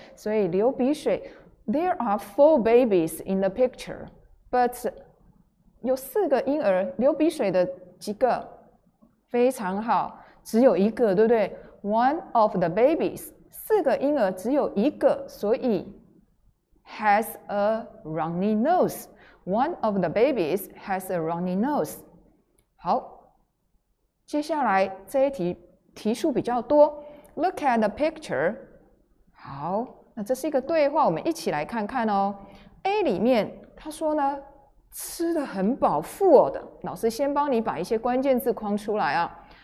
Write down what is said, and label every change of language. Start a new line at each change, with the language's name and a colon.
Chinese: 所以流鼻水。
English: There are four babies in the picture, but
Chinese: 有四个婴儿，流鼻水的几个？非常好，只有一个，对不对 ？
English: One of the babies.
Chinese: 四个婴儿只有一个，所以。
English: Has a runny nose. One of the babies has a runny nose.
Chinese: 好，接下来这一题题数比较多。
English: Look at the picture.
Chinese: 好，那这是一个对话，我们一起来看看哦。 A 里面他说呢，吃得很饱，富饿的。老师先帮你把一些关键字框出来啊。